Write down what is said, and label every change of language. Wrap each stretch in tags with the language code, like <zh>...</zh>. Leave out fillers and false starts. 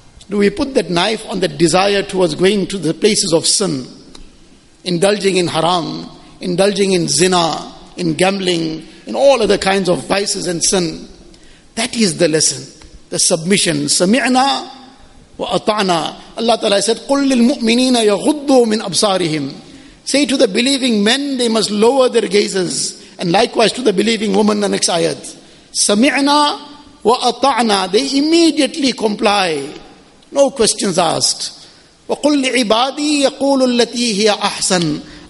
<en>Do we put that knife on that desire towards going to the places of sin, indulging in haram, indulging in zina, in gambling, in all other kinds of vices and sin? That is the lesson, the submission.</en> <ar>Sami'na wa ata'na. Allah Ta'ala said, قُلْ لِلْمُؤْمِنِينَ يَغُضُّوا مِنْ أَبْصَارِهِمْ.</ar> <en>Say to the believing men, they must lower their gazes, and likewise to the believing woman, the next ayat.</en> <ar>Sami'na wa ata'na.</ar> <en>They immediately comply. No questions asked.</en> <ar>وَقُلْ لِعِبَادِي يَقُولُ الَّتِي هِيَ أَحْسَنُ.</ar>